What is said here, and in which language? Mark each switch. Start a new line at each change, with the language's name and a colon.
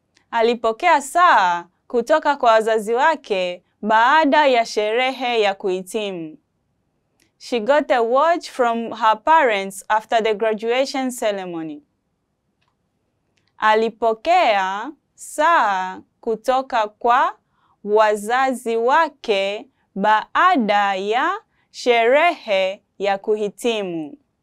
Swahili: Alipokea saa kutoka kwa wazazi wake baada ya sherehe ya kuhitimu.
English: She got a watch from her parents after the graduation ceremony.
Swahili: Alipokea saa kutoka kwa wazazi wake baada ya sherehe ya kuhitimu.